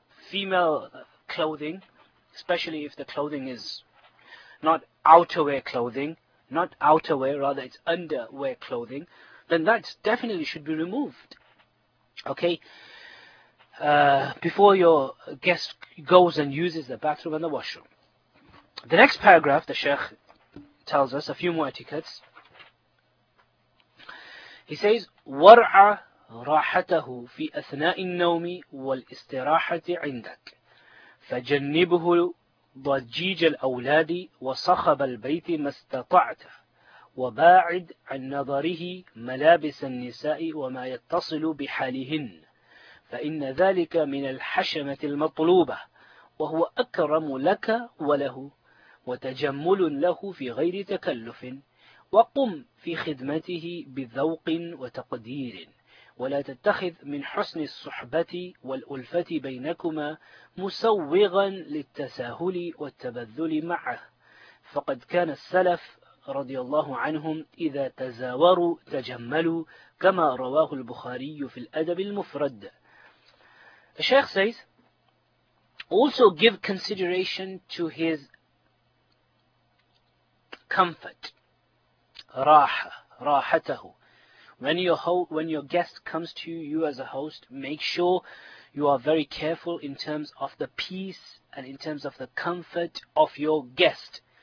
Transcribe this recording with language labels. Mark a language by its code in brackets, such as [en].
[en] Female clothing, especially if the clothing is not outerwear clothing, not outerwear, rather it's underwear clothing, then that definitely should be removed, okay? Before your guest goes and uses the bathroom and the washroom. The next paragraph, the Sheikh tells us a few more etiquettes. He says, [ar] وَرْعَ رَاحَتَهُ فِي أَثْنَاءِ النَّوْمِ وَالْإِسْتِرَاحَةِ عِنْدَكَ فَجَنِّبُهُ ضَجِيجَ الْأَوْلَادِ وَصَخَبَ الْبَيْتِ مَا اسْتَطَعْتَ وَبَاعِدْ عَنْ نَظَرِهِ مَلَابِسَ النِّسَاءِ وَمَا يَتَّصِلُ بِحَالِهِنَّ فَإِنَّ ذَلِكَ مِنَ الْحَشَمَةِ الْمَطْلُوبَةِ وهو أكرم لك وله وتجمل له في غير تكلف وقم في خدمته بذوق وتقدير ولا تتخذ من حسن الصحبة والألفة بينكما مسوغا للتساهل والتبذل معه فقد كان السلف رضي الله عنهم إذا تزاوروا تجملوا كما رواه البخاري في الأدب المفرد. [en] الشيخ says, also give consideration to his comfort. Rahatahu. When your guest comes to you as a host, make sure you are very careful in terms of the peace and in terms of the comfort of your guest.